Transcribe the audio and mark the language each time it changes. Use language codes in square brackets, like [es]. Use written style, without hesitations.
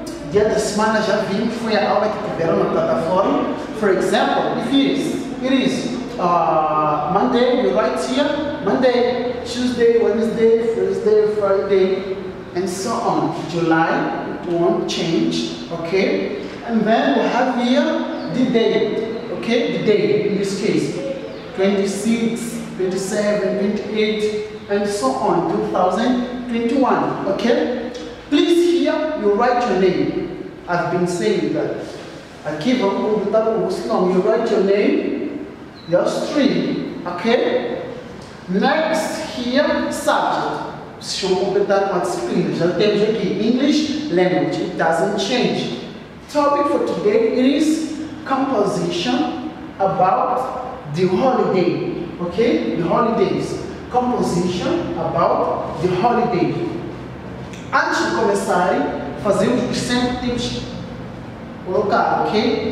[pt] Dia da semana já vimos, foi a aula que tiveram na plataforma. [en] For example, Monday, you write here, Monday, Tuesday, Wednesday, Thursday, Friday, and so on. July won't change, ok? And then we have here the day, ok? The day, in this case, 26, 27, 28, and so on, 2021, ok? Please here, you write your name. I've been saying that. [pt] Aqui vamos botar o seu nome. [en] You write your name, your stream, ok? Next here, subject. [pt] Vocês vão completar com a disciplina. Já temos aqui, [en] English language, it doesn't change. Topic for today is composition about the holiday, ok? The holidays. Composition about the holiday. [pt] Antes de começarem, fazemos os sentidos colocar, ok?